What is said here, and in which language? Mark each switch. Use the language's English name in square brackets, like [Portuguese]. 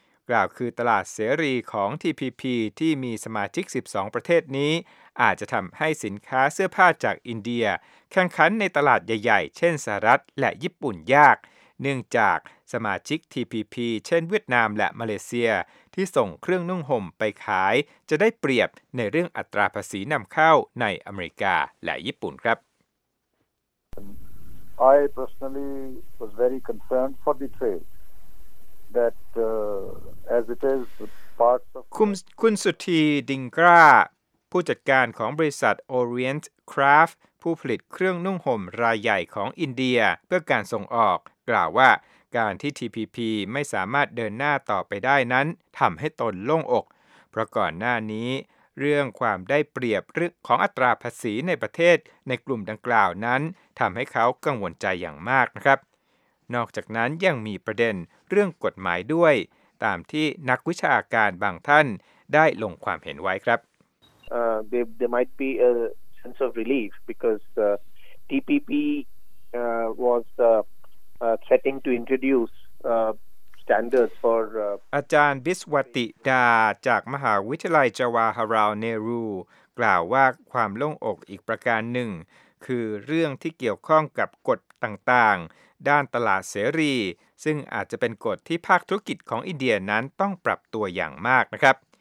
[Thai] กล่าวคือตลาดเสรีของ TPP ที่มีสมาชิก12ประเทศนี้อาจจะทำให้สินค้าเสื้อผ้าจากอินเดียแข่งขันในตลาดใหญ่ๆเช่นสหรัฐและญี่ปุ่นยากเนื่องจากสมาชิก TPP เช่นเวียดนามและมาเลเซียที่ส่งเครื่องนุ่งห่มไปขายจะได้เปรียบในเรื่องอัตราภาษีนำเข้าในอเมริกาและญี่ปุ่นครับ [English] I personally was very concerned for the trade that as it is part of [Thai] คุณสุธีดิงกราผู้จัดการของบริษัท Orient Craft ผู้ผลิตเครื่องนุ่งห่มรายใหญ่ของอินเดียเพื่อการส่งออกกล่าวว่าการที่ TPP ไม่สามารถเดินหน้าต่อไปได้นั้นทำให้ตนโล่งอกเพราะก่อนหน้านี้ เรื่องความได้เปรียบเรื่องของอัตราภาษีในประเทศในกลุ่มดังกล่าวนั้นทำให้เขากังวลใจอย่างมากนะครับนอกจากนั้นยังมีประเด็นเรื่องกฎหมายด้วยตามที่นักวิชาการบางท่านได้ลงความเห็นไว้ครับ [English] There might be a sense of relief because TPP was threatening to introduce standards for [Thai] อาจารย์บิสวัติดาจากมหาวิทยาลัยจวาฮาลาลเนรูกล่าวว่าความโล่งอกอีกประการหนึ่งคือเรื่องที่เกี่ยวข้องกับกฎต่างๆด้านตลาดเสรีซึ่งอาจจะเป็นกฎที่ภาคธุรกิจของอินเดียนั้นต้องปรับตัวอย่างมากนะครับ